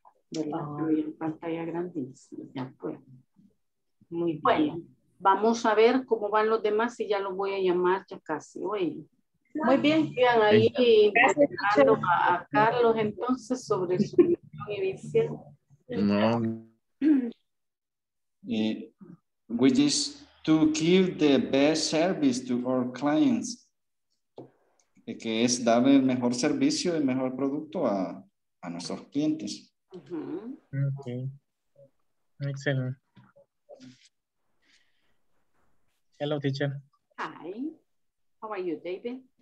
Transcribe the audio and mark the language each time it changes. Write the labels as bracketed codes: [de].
[es] Pero en pantalla grande, sí, ya puedo. Muy bien. Bueno, vamos a ver cómo van los demás y ya los voy a llamar ya casi hoy. Muy bien. Vean ahí a Carlos entonces sobre su visión y visión. No. [en] Which is to give the best service to our clients. [es] Que es dar el mejor servicio, el mejor producto a nuestros clientes. [en] Uh-huh. Okay. Excellent. Hello, teacher. Hi. How are you, David?